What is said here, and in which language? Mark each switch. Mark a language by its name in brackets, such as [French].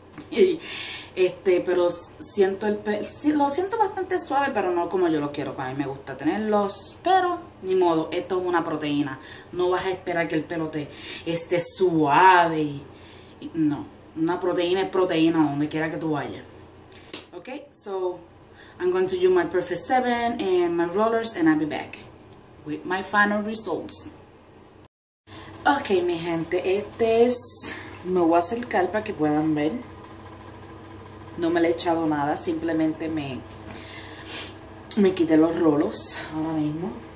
[Spanish] Pero siento el pelo. Lo siento bastante suave, pero no como yo lo quiero. A mí me gusta tenerlos. Pero, ni modo, esto es una proteína. No vas a esperar que el pelo te esté suave. No. Una proteína es proteína donde quiera que tú vayas. [English] Ok, so I'm going to do my Perfect 7 and my rollers and I'll be back with my final results. [Spanish] Ok, mi gente, me voy a acercar para que puedan ver. No me le he echado nada, simplemente me quité los rolos ahora mismo.